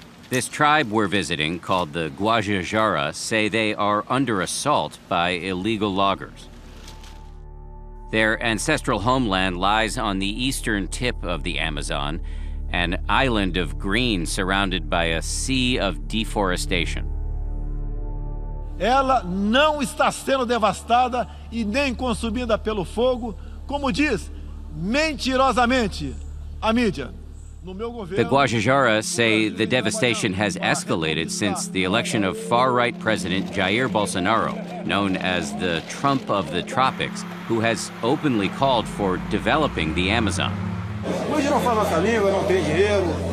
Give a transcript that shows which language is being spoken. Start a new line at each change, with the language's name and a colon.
English: This tribe we're visiting, called the Guajajara, say they are under assault by illegal loggers. Their ancestral homeland lies on the eastern tip of the Amazon, an island of green surrounded by a sea of deforestation.
Portuguese: Ela não está sendo devastada e nem consumida pelo fogo, como diz mentirosamente a mídia. No meu governo,
English: the Guajajara say the devastation has escalated since the election of far-right President Jair Bolsonaro, known as the Trump of the Tropics, who has openly called for developing the Amazon.
Portuguese: Hoje não fala nossa língua, não tem dinheiro.